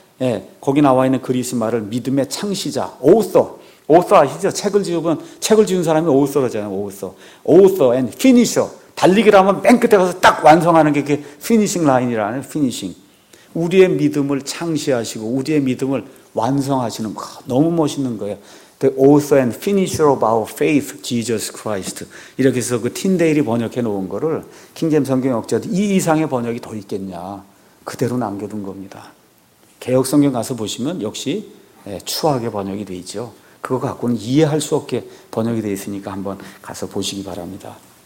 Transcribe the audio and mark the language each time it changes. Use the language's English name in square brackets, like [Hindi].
[Korean] 예, 거기 나와 있는 그리스 말을 믿음의 창시자, 오서, 오서 아시죠? 책을 지은, 책을 지은 사람이 오서잖아요, 오서. [English] 오서 앤 피니셔. [Korean] 달리기를 하면 맨 끝에 가서 딱 완성하는 게 피니싱 라인이라는 피니싱. 우리의 믿음을 창시하시고, 우리의 믿음을 완성하시는, 와, 너무 멋있는 거예요. [English] The author and finisher of our faith, Jesus Christ. [Korean] 이렇게 해서 그 틴데일이 번역해 놓은 거를 킹잼 성경 역자도 이 이상의 번역이 더 있겠냐. 그대로 남겨둔 겁니다. 개역 성경 가서 보시면 역시 추하게 번역이 되어 있죠. 그거 갖고는 이해할 수 없게 번역이 되어 있으니까 한번 가서 보시기 바랍니다.